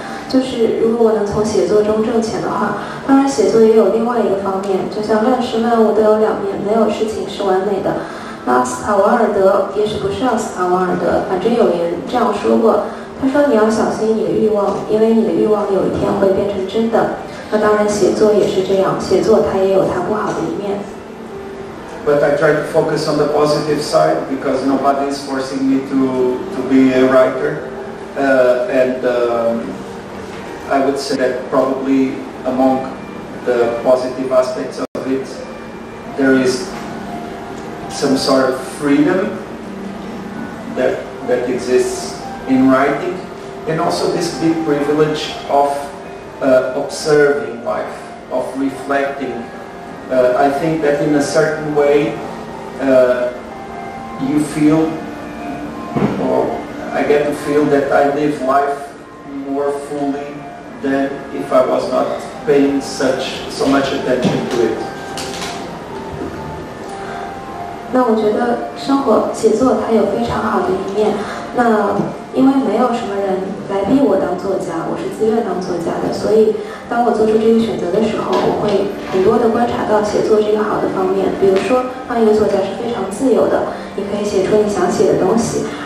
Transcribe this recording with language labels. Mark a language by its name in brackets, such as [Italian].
[Chinese] 那我觉得写作它可以是一件比较好的事情，那它有一个比较好的方面，就是如果能从写作中挣钱的话。当然，写作也有另外一个方面，就像万事万物都有两面，没有事情是完美的。奥斯卡·瓦尔德也是不是奥斯卡·瓦尔德，反正有人这样说过，他说你要小心你的欲望，因为你的欲望有一天会变成真的。那当然，写作也是这样，写作它也有它不好的一面。 [English] But I try to focus on the positive side because nobody is forcing me to be a writer, I would say that probably among the positive aspects of it, there is some sort of freedom that exists in writing, and also this big privilege of observing life, of reflecting. I think that in a certain way, you feel, or I get to feel that I live life more fully than if I was not paying so much attention to it. [Chinese] 那我觉得生活写作它有非常好的一面。那因为没有什么人来逼我当作家，我是自愿当作家的，所以当我做出这个选择的时候，我会很多的观察到写作这个好的方面。比如说，当一个作家是非常自由的，你可以写出你想写的东西。